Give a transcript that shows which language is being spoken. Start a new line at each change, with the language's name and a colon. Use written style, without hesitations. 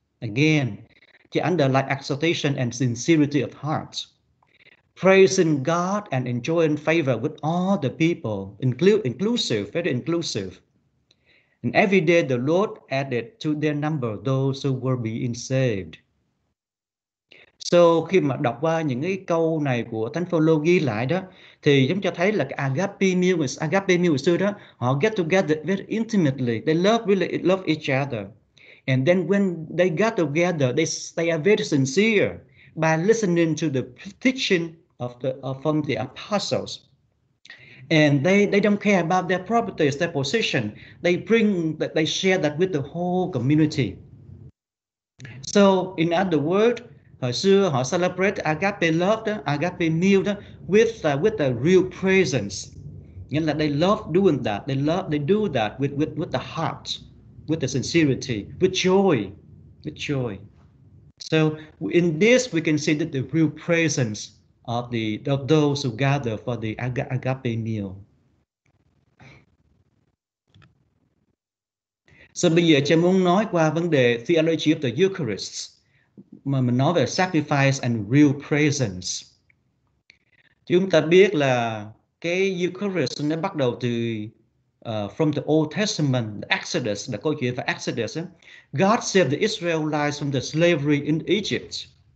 English: Again, to underline exaltation and sincerity of hearts, praising God and enjoying favor with all the people, inclusive, very inclusive. And every day the Lord added to their number those who were being saved.
Vietnamese: So khi mà đọc qua những cái câu này của Thánh Phaolô ghi lại đó, thì chúng ta thấy là cái agape meal xưa đó, họ
English: get together very intimately, they really love each other. And then when they got together, they are very sincere by listening to the teaching from the apostles. And they don't care about their properties, their position. They share that with the whole community. So in other words,
Vietnamese: hồi xưa họ
English: celebrate agape love đó, agape meal đó, with the real presence.
Vietnamese: Nghĩa là
English: they love doing that. They do that with the heart. With the sincerity, with joy. So in this, we can see that the real presence of those who gather for the agape meal.
Vietnamese: So bây giờ chúng muốn nói qua vấn đề
English: theology of the Eucharist,
Vietnamese: mà mình nói về
English: sacrifice and real presence.
Vietnamese: Chúng ta biết là cái Eucharist nó bắt đầu từ from the Old Testament, the Exodus, the câu chuyện về Exodus,
English: God saved the Israelites from the slavery in Egypt.